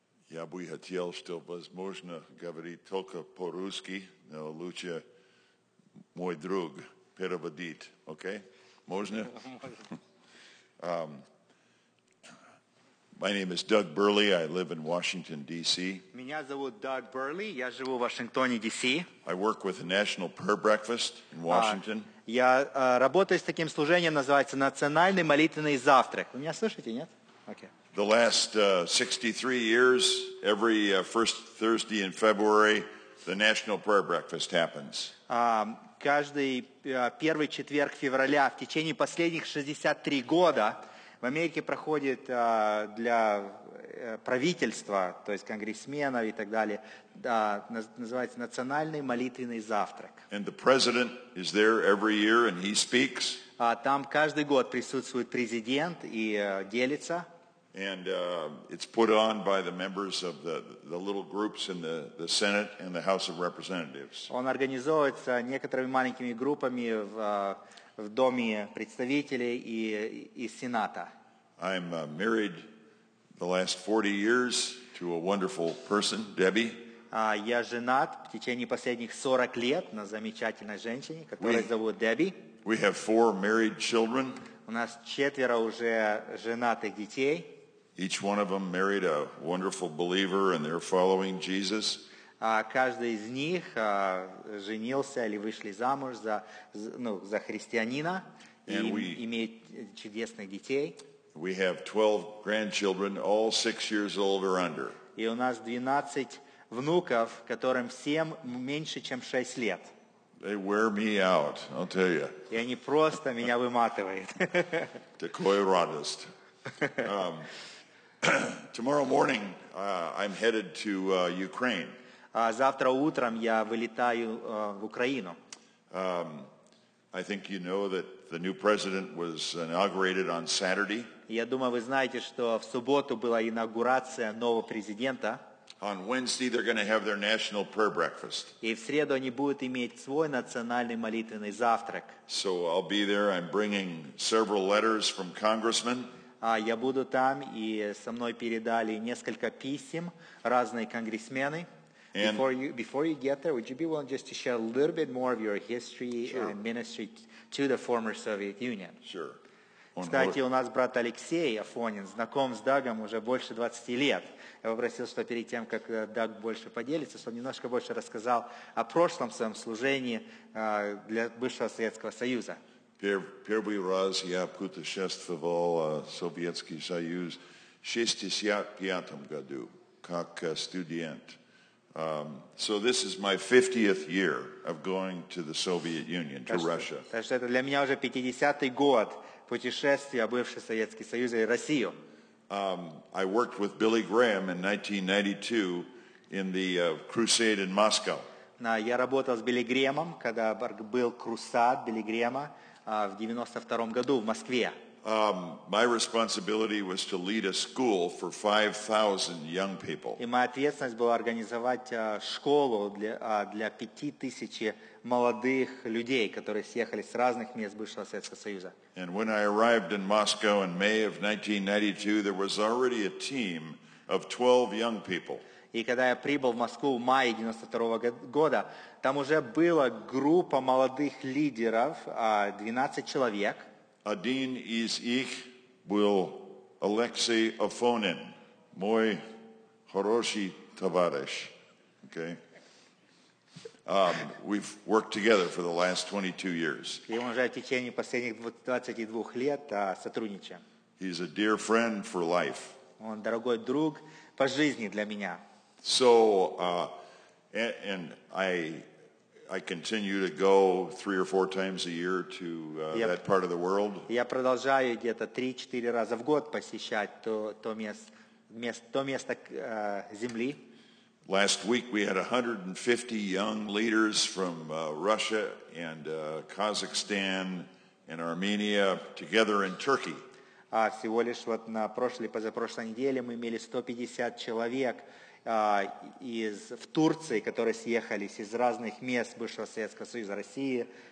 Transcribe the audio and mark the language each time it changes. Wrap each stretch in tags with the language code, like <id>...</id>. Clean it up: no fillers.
<ru>Я бы хотел, что возможно говорить только по-русски, но лучше мой друг переводить, окей? Можно?</ru> <en>My name is Doug Burley. I live in Washington, D.C.</en> <ru>Меня зовут Doug Burley. Я живу в Вашингтоне, D.C.</ru> <en>I work with the National Prayer Breakfast in Washington.</en> <ru>Я работаю с таким служением, называется Национальный молитвенный завтрак. Вы меня слышите, нет? Окей.</ru> <en>The last 63 years, every first Thursday in February, the National Prayer Breakfast happens.</en> <ru>Каждый первый четверг февраля в течение последних 63 года в Америке проходит для правительства, то есть конгрессменов и так далее, называется Национальный молитвенный завтрак.</ru> <en>And the president is there every year and he speaks.</en> <ru>Там каждый год присутствует президент и делится.</ru> <en>And it's put on by the members of the little groups in the Senate and the House of Representatives.</en> <ru>Он организовывается некоторыми маленькими группами в Доме представителей и Сената.</ru> <en>I'm married the last 40 years to a wonderful person, Debbie.</en> <ru>Я женат в течение последних 40 лет на замечательной женщине, которую зовут Дебби.</ru> <en>We have four married children.</en> <ru>У нас четверо уже женатых детей.</ru> <en>Each one of them married a wonderful believer and they're following Jesus.</en> <ru>Каждый из них женился или вышли замуж за христианина и имеет чудесных детей.</ru> <en>We have 12 grandchildren, all 6 years old or under.</en> <ru>И у нас 12 внуков, которым всем меньше, чем 6 лет.</ru> <en>They wear me out, I'll tell you.</en> <ru>И они просто меня выматывают. Такой радость.</ru> <en>Tomorrow morning, I'm headed to Ukraine.</en> <ru>Завтра утром я вылетаю в Украину.</ru> <en>I think you know that the new president was inaugurated on Saturday.</en> <ru>Я думаю, вы знаете, что в субботу была инаугурация нового президента.</ru> <en>On Wednesday they're going to have their national prayer breakfast.</en> <ru>И в среду они будут иметь свой национальный молитвенный завтрак.</ru> <en>So I'll be there. I'm bringing several letters from congressmen.</en> <ru>Я буду там, и со мной передали несколько писем разные конгрессмены.</ru> <en>And before you get there, would you be willing just to share a little bit more of your history sure. and ministry to the former Soviet Union? Sure.</en> <ru>Кстати, у нас брат Алексей Афонин знаком с Дагом уже больше 20 лет. Я попросил, что перед тем, как Даг больше поделится, чтобы немножко больше рассказал о прошлом своем служении для бывшего Советского Союза. Первый раз я путешествовал в Советский Союз в 65-м году как студент.</ru> <en>So this is my 50th year of going to the Soviet Union, to Russia.</en> <ru>Так что это для меня уже 50-й год путешествия в бывший Советский Союз и Россию.</ru> <en>I worked with Billy Graham in 1992 in the crusade in Moscow.</en> <ru>Я работал с Билли Грэмом, когда был крусад Билли Грэма в 92-м году в Москве.</ru> <en>My responsibility was to lead a school for 5,000 young people.</en> <ru>И моя ответственность была организовать школу для 5,000 молодых людей, которые съехали с разных мест бывшего Советского Союза.</ru> <en>And when I arrived in Moscow in May of 1992, there was already a team of 12 young people.</en> <ru>И когда я прибыл в Москву в мае 92 года, там уже была группа молодых лидеров, 12 человек. Один из их был Алексей Афонин, мой хороший товарищ.</ru> <en>Okay. We've worked together for the last 22 years.</en> <ru>И он уже в течение последних 22 лет сотрудничаем.</ru> <en>He's a dear friend for life.</en> <ru>Он дорогой друг по жизни для меня.</ru> <en>So, and I continue to go 3 or 4 times a year to that part of the world.</en> <ru>Я продолжаю где-то 3-4 раза в год посещать то место земли.</ru> <en>Last week we had 150 young leaders from Russia and Kazakhstan and Armenia together in Turkey.</en> <ru>Всего лишь вот на позапрошлой неделе мы имели 150 человек в Турции, которые съехались из разных мест бывшего Советского Союза, России,</ru>